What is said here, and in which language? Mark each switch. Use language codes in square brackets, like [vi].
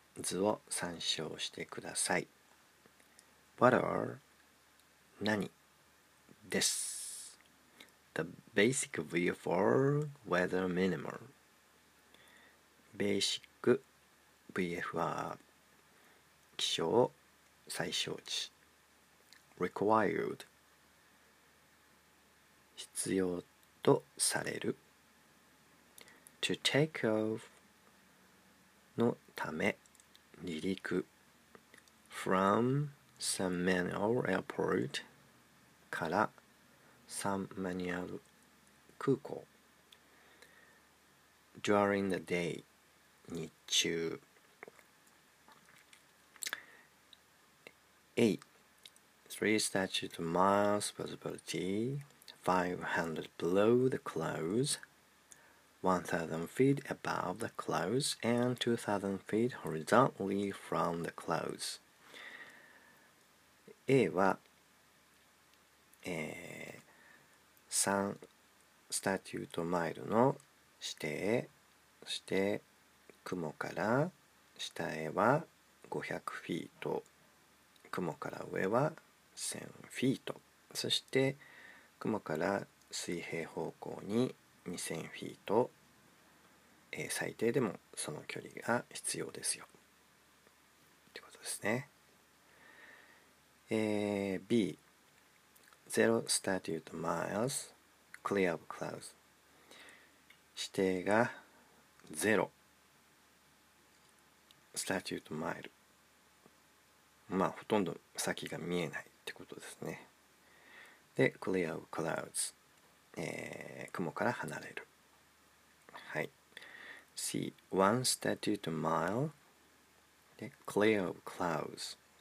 [ja] 図を参照してください。 [en] What are [ja] 何です。 [en] The basic VFR weather minimum. [ja] Basic VFR 気象最小値。 [en] Required [ja] 必要とされる。 [en] To take off [ja] のため離陸。 [en] From San Manuel Airport [ja] からサンマニュアル空港。 [en] During the day [ja] 日中。 [en] A. 3 statute miles visibility, 500 below the clouds, 1,000 feet above the clouds, and 2,000 feet horizontally from the clouds. [ja] A は、3 statute mile の指定、そして雲から下へは500フィート。雲から上は1000フィート。そして雲から水平方向に2000フィート。最低でもその距離が必要ですよ。ってことですね。B. [en] 0 statute miles clear of clouds. [ja] 指定が0 statute mile。まあ、ほとんど先が見えないってことですね。で、 [en] clear of clouds、 [ja] 雲から離れる。はい。C. 1 statute mile で、 [en] clear of clouds。